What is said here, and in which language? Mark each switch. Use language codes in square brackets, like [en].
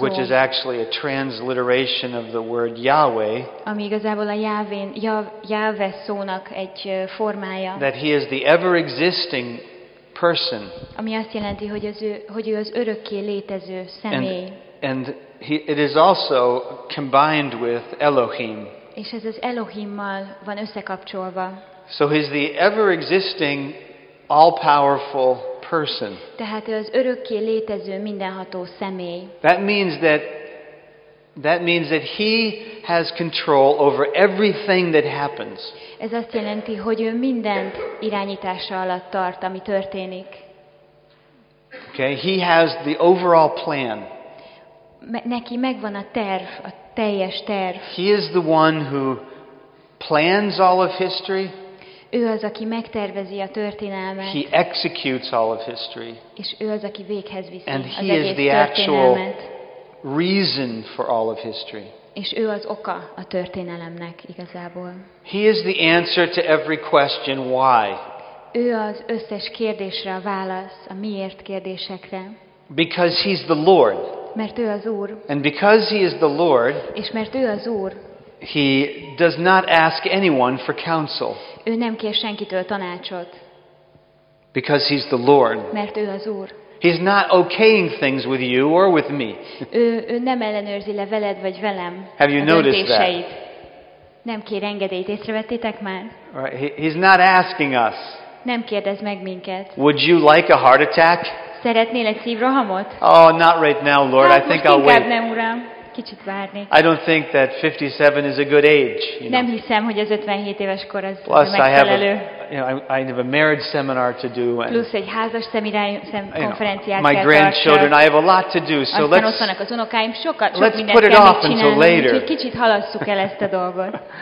[en] which is actually a transliteration of the word Yahweh, [hu] ami igazából a Jahve szónak egy formája. [en] That He is the ever-existing person. [hu] Ami azt jelenti, hogy ő az örökké létező személy. [en] And, And it is also combined with Elohim. [hu] És ez az Elohimmal van összekapcsolva. [en] So he's the ever-existing, all-powerful person. [hu] Tehát az örökké létező mindenható személy. [en] That means that he has control over everything that happens. [hu] Ez azt jelenti, hogy ő mindent irányítása alatt tart, ami történik. [en] Okay, he has the overall plan. [hu] Neki megvan a terv, a teljes terv. [en] He is the one who plans all of history. [hu] Ő az, aki megtervezi a történelmet. [en] He executes all of history. [hu] És ő az, aki véghez viszi az egész történelmet. [en] And he is the actual reason for all of history. [hu] És ő az oka a történelemnek igazából. [en] He is the answer to every question, why? [hu] Ő az összes kérdésre a válasz, a miért kérdésekre. [en] Because he's the Lord. [hu] Mert ő az Úr. [en] And because he is the Lord, [hu] és mert ő az Úr, [en] he does not ask anyone for counsel. [hu] Ő nem kér senkitől tanácsot. [en] Because he's the Lord. [hu] Mert ő az Úr. [en] He's not okaying things with you or with me. [hu] Ő nem ellenőrzi le veled vagy velem. [en] Have you noticed that? [hu] Nem kér engedélyt, észrevettétek már? [en] Right. He's not asking us. [hu] Nem kérdez meg minket. [en] Would you like a heart attack? [hu] Szeretnél egy szívrohamot? [en] Oh, not right now, Lord. I think I'll wait. [hu] Nem, Uram. Kicsit várni. [en] I don't think that 57 is a good age, you know. [hu] Nem hiszem, hogy az 57 éves kor az megfelelő. [en] Plus, I have a marriage seminar to do. [hu] Plusz egy házas konferenciát kell tartani. [en] My grandchildren, I have a lot to do, so let's put it off until later. [hu] Kicsit halasszuk el ezt a dolgot.